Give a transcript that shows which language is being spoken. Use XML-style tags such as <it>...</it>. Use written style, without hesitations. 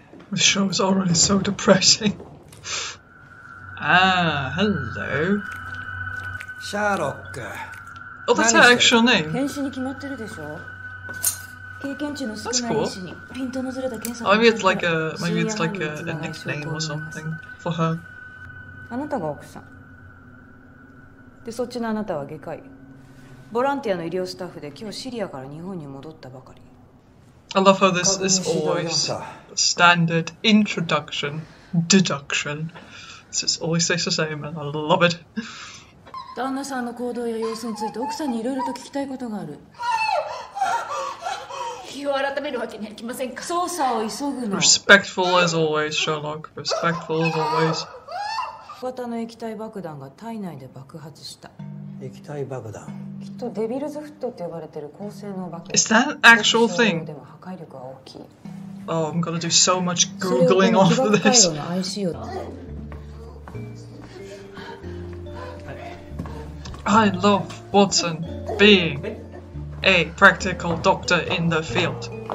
<en>The show is already so depressing. Ah, hello. Sherlock. Oh, that's her actual name. That's cool. Maybe it's like a nickname or something for her.</en> <ja>あなたが奥さん。で、そっちのあなたは外科医。ボランティアの医療スタッフで今日シリアから日本に戻ったばかり。</ja> <en>I love how this is always standard introduction, deduction. It's always the same and I love it.</en> <ja>旦那さんの行動や様子について奥さんにいろいろと聞きたいことがある。</ja> <en>Respectful as always, Sherlock. Respectful as always.</en> <ja>型の液体爆弾が体内で爆発した。液体爆弾。きっとデビルズフットって呼ばれてる高性能爆弾。</ja> <en>Is that an actual thing?</en> <ja>破壊力は大きい。</ja> <en>Oh, I'm gonna do so much googling off of this. I love Watson being a practical doctor in the field.</en>